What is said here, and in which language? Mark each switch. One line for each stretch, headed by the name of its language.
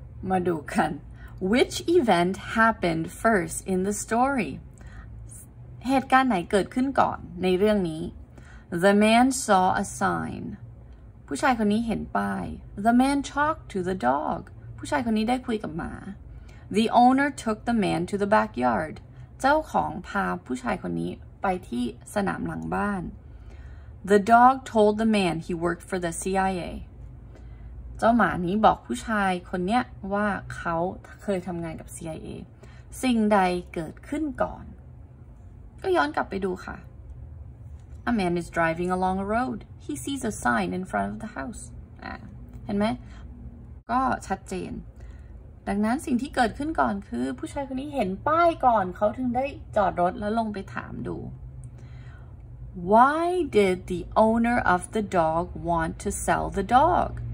Thai: มาดูกัน
English: Which event happened first in the story
Thai: เหตุการณ์ไหนเกิดขึ้นก่อนในเรื่องนี้
English: The man saw a sign
Thai: ผู้ชายคนนี้เห็นป้าย
English: The man talked to the dog
Thai: ผู้ชายคนนี้ได้คุยกับหมา
English: The owner took the man to the backyard.
Thai: เจ้าของพาผู้ชายคนนี้ไปที่สนามหลังบ้าน
English: The dog told the man he worked for the CIA.
Thai: เจ้าหมานี้บอกผู้ชายคนเนี้ยว่าเขาเคยทำงานกับ CIA. สิ่งใดเกิดขึ้นก่อนก็ย้อนกลับไปดูค่ะ
English: A man is driving along a road. He sees a sign in front of the house.
Thai: เห็นไหมก็ชัดเจนดังนั้นสิ่งที่เกิดขึ้นก่อนคือผู้ชายคนนี้เห็นป้ายก่อนเขาถึงได้จอดรถแล้วลงไปถามดู
English: Why did the owner of the dog want to sell the dog?